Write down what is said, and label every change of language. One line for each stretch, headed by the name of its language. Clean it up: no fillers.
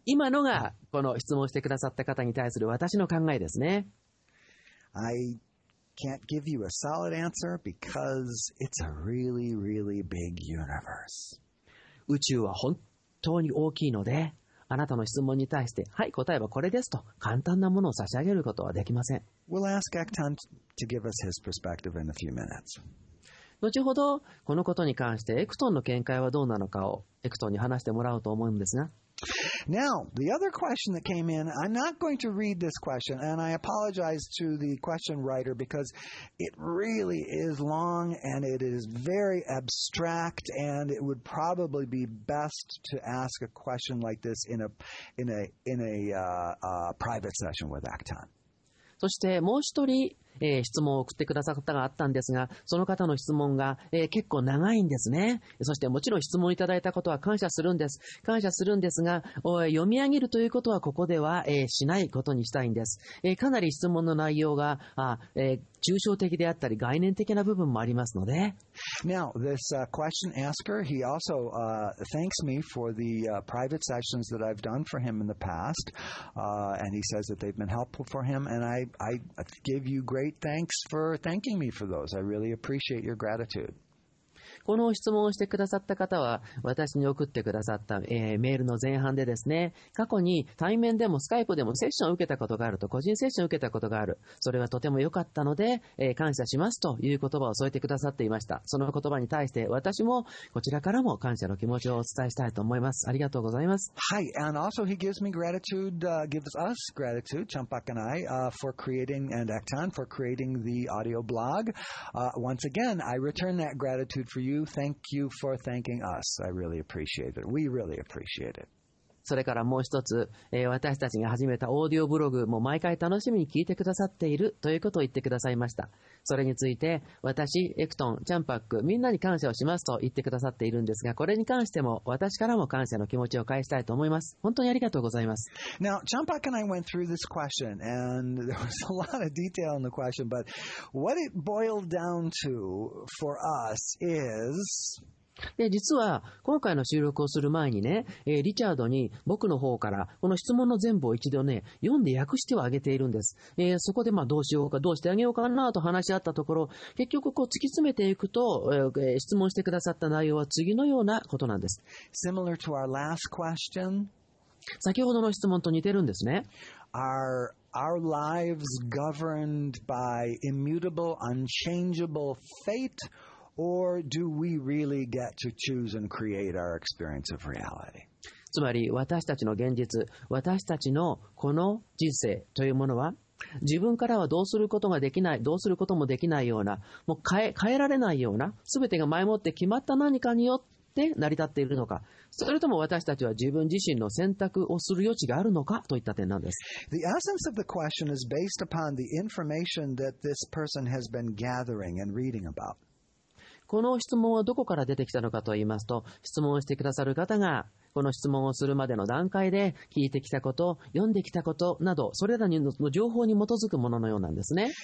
Japanese: 今のがこの質問してくださった方に対する私の考えですね。
English: I can't give you a solid answer because it's a really, really big universe.
Japanese: 宇宙は本当に大きいので、あなたの質問に対して、はい、答えはこれですと簡単なものを差し上げることはできません。
English: We'll ask Ektan to give us his perspective in a few minutes.
Japanese: 後ほどこのことに関してエクトンの見解はどうなのかをエクトンに話してもらおうと思うんですが、
English: Now, the other question that came in, I'm not going to read this question, and I apologize to the question writer because it really is long and it is very abstract, and it would probably be best to ask a question like this in a private session with Ektan.
Japanese: そしてもう一人、質問を送ってくださった方があったんですが、その方の質問が、結構長いんですね。そしてもちろん質問いただいたことは感謝するんです、感謝するんですが、読み上げるということはここでは、しないことにしたいんです。かなり質問の内容が抽象的であったり概念的な部分もありますので。
English: Now, this question asker, he also thanks me for the private sessions that I've done for him in the past, and he says that they've been helpful for him, and I give you great thanks for thanking me for those. I really appreciate your gratitude.
Japanese: この質問をしてくださった方は私に送ってくださった、メールの前半でですね、過去に対面でもスカイプでもセッションを受けたことがあると、個人セッションを受けたことがある、それはとても良かったので、感謝しますという言葉を添えてくださっていました。その言葉に対して私もこちらからも感謝の気持ちをお伝えしたいと思います。ありがとうございます。
English: はい、 and also he gives me gratitude, gives us gratitude, Champak and I, for creating, and Ektan, for creating the audio blog. Once again, I return that gratitude for youThank you for thanking us. I really appreciate it. We really appreciate it.
Japanese: それからもう一つ、私たちが始めたオーディオブログも毎回楽しみに聞いてくださっているということを言ってくださいました。それについて、私、エクトン、チャンパック、みんなに感謝をしますと言ってくださっているんですが、これに関しても私からも感謝の気持ちを返したいと思います。本当にありがとうございます。
English: Now, Champak and I went through this question, and there was a lot of detail in the question, but what it boiled down to for us is...
Japanese: で実は今回の収録をする前にね、リチャードに僕の方からこの質問の全部を一度ね読んで訳してはあげているんです。そこでまあどうしようかどうしてあげようかなと話し合ったところ、結局こう突き詰めていくと、質問してくださった内容は次のようなことなんです。
English: Similar to our last question,
Japanese: 先ほどの質問と似てるんですね。
English: Our lives governed by immutable, unchangeable fate,Or do we really get to choose and create our experience of reality?
Japanese: つまり私たちの現実、私たちのこの人生というものは、自分からはどうすることができない、どうすることもできないような、もう変えられないような、すべてが前もって決まった何かによって成り立っているのか、それとも私たちは自分自身の選択をする余地があるのかといった点なんです。
English: The essence of the question is based upon the information that this person has been gathering and reading about.
Japanese: この質問はどこから出てきたのかと言いますと、質問してくださる方がこの質問をするまでの段階で聞いてきたこと、読んできたことなど、それらの情報に基づくもののようなんですね。